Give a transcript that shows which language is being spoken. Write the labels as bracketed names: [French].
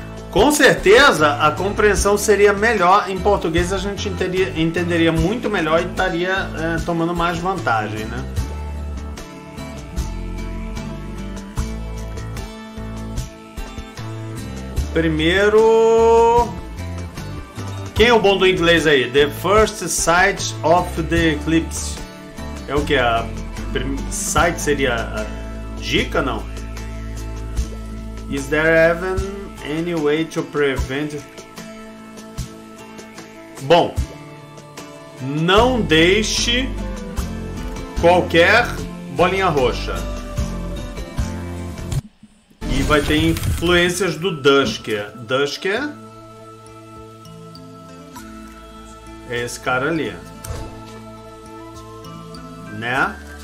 [Portuguese] Com certeza a compreensão seria melhor em português, a gente entenderia muito melhor e estaria tomando mais vantagem, né? Primeiro, quem é o bom do inglês aí? [English] The first sight of the eclipse. [Portuguese] É o que? A sight seria a dica, não? [English] Is there even any way to prevent? [Portuguese] Bom, não deixe qualquer bolinha roxa. E vai ter influências do Dusker. Dusker é esse cara ali, né?